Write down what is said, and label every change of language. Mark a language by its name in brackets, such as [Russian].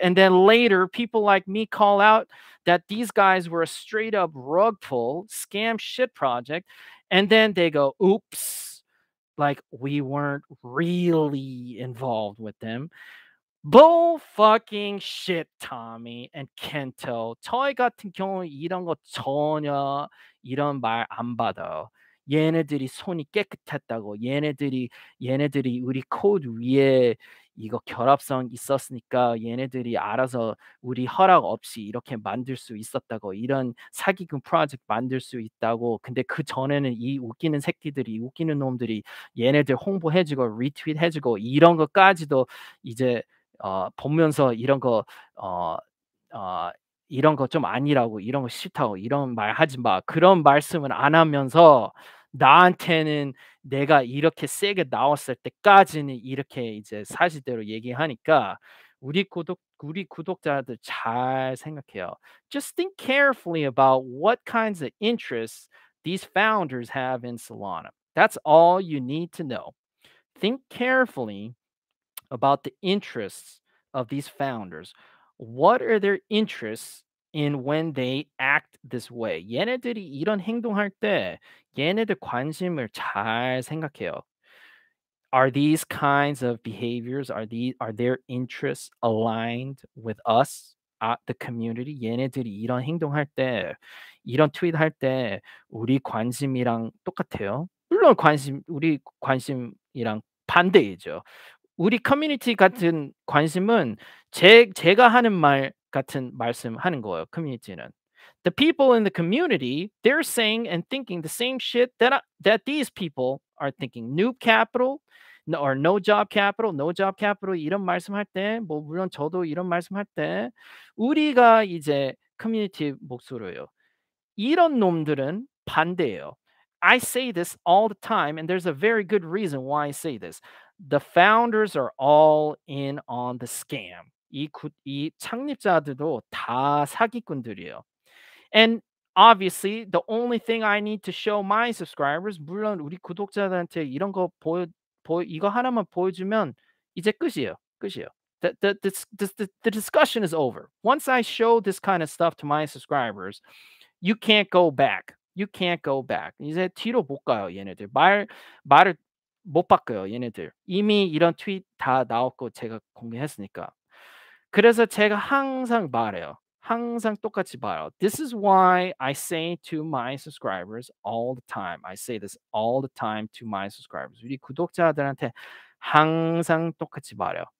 [English] And then later, people like me call out that these guys were a straight up rug pull, scam shit project. And then they go, "Oops, like we weren't really involved with them." Bull fucking shit, Tommy and Kento. [Korean] 저희 같은 경우 이런 거 전혀 이런 말 안 받아. 얘네들이 손이 깨끗했다고. 얘네들이 우리 코드 위에 이거 결합성 있었으니까 얘네들이 알아서 우리 허락 없이 이렇게 만들 수 있었다고. 이런 사기꾼 프로젝트 만들 수 있다고. 근데 그 전에는 이 웃기는 새끼들이, 웃기는 놈들이 얘네들 홍보해주고 리트윗해주고 이런 것까지도 이제 보면서 이런 거 이런 거 좀 아니라고 이런 거 싫다고 이런 말 하지 마 그런 말씀은 안 하면서 나한테는 내가 이렇게 세게 나왔을 때까지는 이렇게 이제 사실대로 얘기하니까 우리 구독자들 잘 생각해요. [English] Just think carefully about what kinds of interests these founders have in Solana. That's all you need to know. Think carefully about the interests of these founders. What are their interests in when they act this way? [Korean] 얘네들이 이런 행동할 때 얘네들 관심을 잘 생각해요. [English] Are these kinds of behaviors, are their interests aligned with us? [Korean] the community 얘네들이 이런 행동할 때 이런 트윗 할 때 우리 관심이랑 똑같아요. 물론 관심 우리 관심이랑 반대이죠. 우리 커뮤니티 같은 관심은 제가 하는 말 같은 말씀하는 거예요. [English] 커뮤니티는 the people in the community they're saying and thinking the same shit that these people are thinking. [Korean] Noob capital or no job capital, no job capital 이런 말씀할 때, 뭐 물론 저도 이런 말씀할 때 우리가 이제 커뮤니티 목소리예요. 이런 놈들은 반대예요. [English] I say this all the time, and there's a very good reason why I say this. The founders are all in on the scam. [Korean] 이 창립자들도 다 사기꾼들이에요. [English] And obviously, the only thing I need to show my subscribers, 물론 우리 구독자들한테 이런 거 이거 하나만 보여주면 이제 끝이에요. The discussion is over. Once I show this kind of stuff to my subscribers, you can't go back. You can't go back. [Korean] 이제 뒤로 못 가요, 얘네들. 말을 못 바꿔요, 얘네들. 이미 이런 트윗 다 나왔고 제가 공개했으니까. 그래서 제가 항상 말해요. 항상 똑같이 말해요. [English] This is why I say to my subscribers all the time. I say this all the time to my subscribers. [Korean] 우리 구독자들한테 항상 똑같이 말해요.